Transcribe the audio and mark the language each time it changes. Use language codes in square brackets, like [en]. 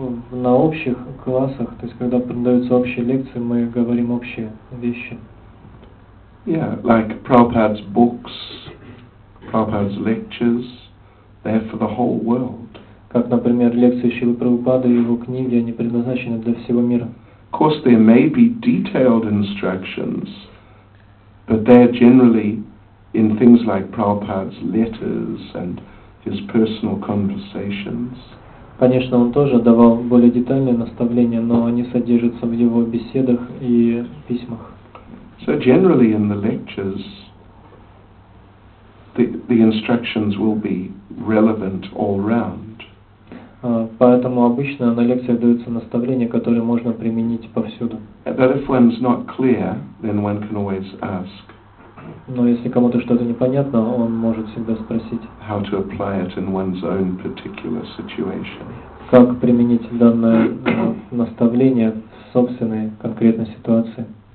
[ru] На общих классах, то есть когда преподаются общие лекции, мы говорим общие вещи. [en] Yeah, like Prabhupada's books, Prabhupada's lectures, they're for the whole world. [ru] Как, например, лекции Шрилы Прабхупады и его книги, они предназначены для всего мира. [en] Of course, there may be detailed instructions, but they're generally in things like Prabhupada's letters and his personal conversations. [ru] Конечно, он тоже давал более детальные наставления, но они содержатся в его беседах и письмах. [en] So generally in the lectures, the instructions will be relevant all round. [ru] Поэтому обычно на лекциях даются наставления, которые можно применить повсюду. [en] But if one's not clear, then one can always ask. [ru] Но если кому-то что-то непонятно, он может всегда спросить. [en] How to apply it in one's own particular situation. [ru] Как применить данное наставление в собственной конкретной ситуации?